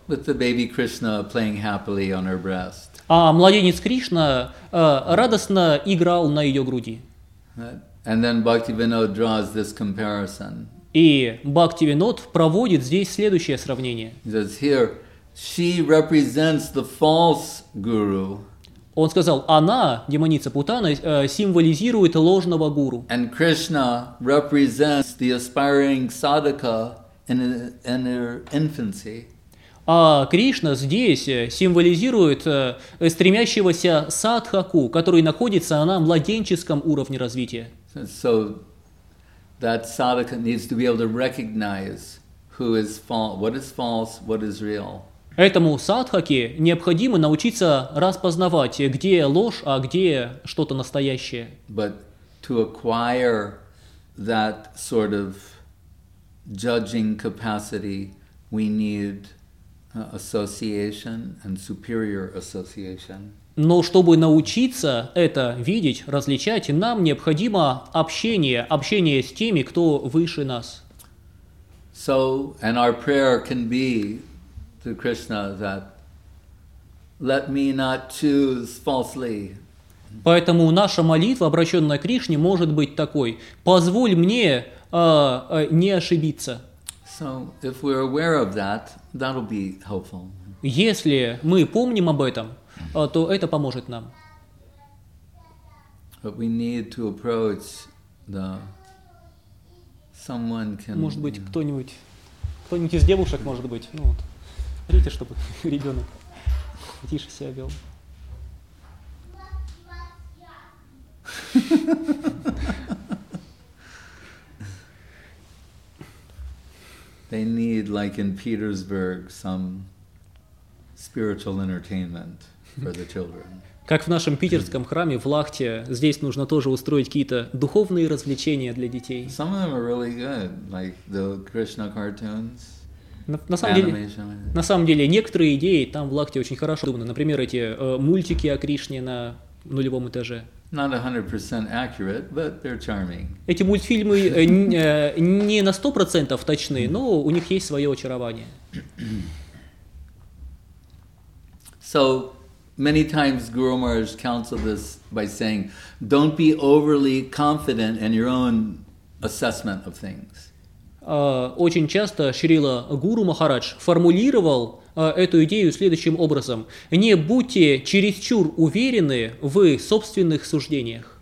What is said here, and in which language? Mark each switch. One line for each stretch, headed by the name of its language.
English: With the baby Krishna playing happily on her breast.
Russian: А младенец Кришна радостно играл на ее груди.
English: And then Bhaktivinoda draws this comparison.
Russian: И Бхактивинод проводит здесь следующее сравнение.
English: He says here, she represents the false guru.
Russian: Он сказал, она, демоница Путана, символизирует ложного гуру.
English: And Krishna represents the aspiring sadhaka in her infancy.
Russian: А Кришна здесь символизирует стремящегося садхаку, который находится на младенческом уровне развития.
English: So that sadhaka needs to be able to recognize who is false, what is real.
Russian: Этому садхаке необходимо научиться распознавать, где ложь, а где что-то настоящее.
English: But to acquire that sort of judging capacity, we need association and superior association.
Russian: Но чтобы научиться это видеть, различать, нам необходимо общение, общение с теми, кто выше нас.
English: So, and our prayer can be to Krishna that let me not choose falsely.
Russian: Поэтому наша молитва, обращенная к Кришне, может быть такой: позволь мне не ошибиться.
English: So if we're aware of that, that'll be helpful.
Russian: Если мы помним об этом, то это поможет нам.
English: But we need to approach the someone can.
Russian: Может быть, кто-нибудь из девушек, может быть, ну вот. Смотрите, чтобы ребенок тише себя вел.
English: They need, like in Petersburg, some spiritual entertainment for the children.
Russian: Как в нашем питерском храме в Лахте, здесь нужно тоже устроить какие-то духовные развлечения для детей.
English: Some of them are really good, like the Krishna cartoons.
Russian: На самом деле, некоторые идеи там в Лахте очень хорошо придуманы. Например, эти мультики о Кришне на нулевом этаже.
English: Not 100% accurate, but they're charming.
Russian: Эти мультфильмы не на 100% точны, но у них есть свое очарование.
English: So, many times Guru Maharaj counseled this by saying, don't be overly confident in your own assessment of things.
Russian: Очень часто Шрила Гуру Махарадж формулировал эту идею следующим образом. Не будьте чересчур уверены в собственных суждениях.